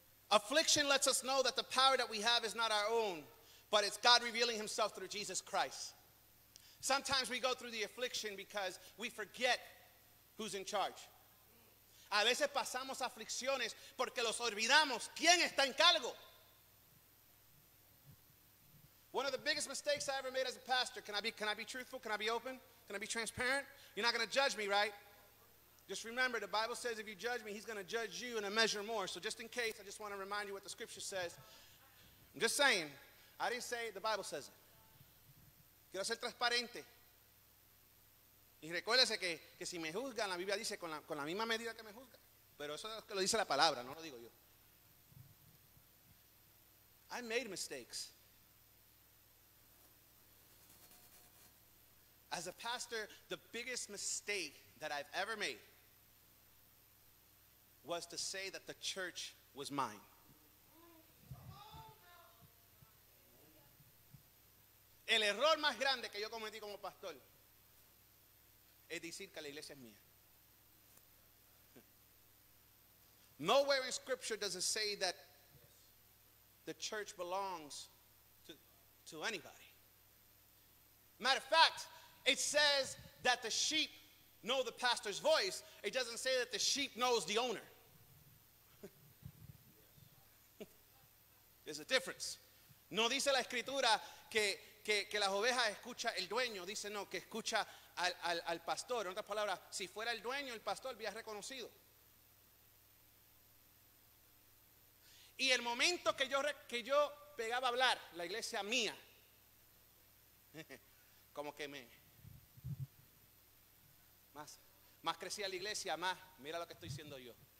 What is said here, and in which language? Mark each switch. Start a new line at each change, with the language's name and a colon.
English: Affliction lets us know that the power that we have is not our own, but it's God revealing himself through Jesus Christ. Sometimes we go through the affliction because we forget who's in charge.
Spanish: A veces pasamos aflicciones porque los olvidamos quién está en cargo.
English: One of the biggest mistakes I ever made as a pastor, can I be truthful? Can I be open? Can I be transparent? You're not going to judge me, right? Just remember, the Bible says if you judge me, he's going to judge you in a measure more. So just in case, I just want to remind you what the scripture says. I'm just saying. I didn't say it, the Bible says it.
Spanish: Quiero ser transparente. Y recuérdese que si me juzgan, la Biblia dice con la misma medida que me juzgan. Pero eso es que lo dice la palabra, no lo digo yo.
English: I made mistakes. As a pastor, the biggest mistake that I've ever made was to say that the church was mine.
Spanish: El error más grande que yo cometí como pastor es decir que la iglesia es mía.
English: Nowhere in scripture does it say that the church belongs to anybody. Matter of fact, it says that the sheep know the pastor's voice. It doesn't say that the sheep knows the owner. There's a difference.
Spanish: No dice la escritura que las ovejas escucha el dueño. Dice no, que escucha al pastor. En otras palabras, si fuera el dueño, el pastor había reconocido. Y el momento que yo pegaba a hablar, la iglesia mía, como que más crecía la iglesia, más, mira lo que estoy diciendo yo.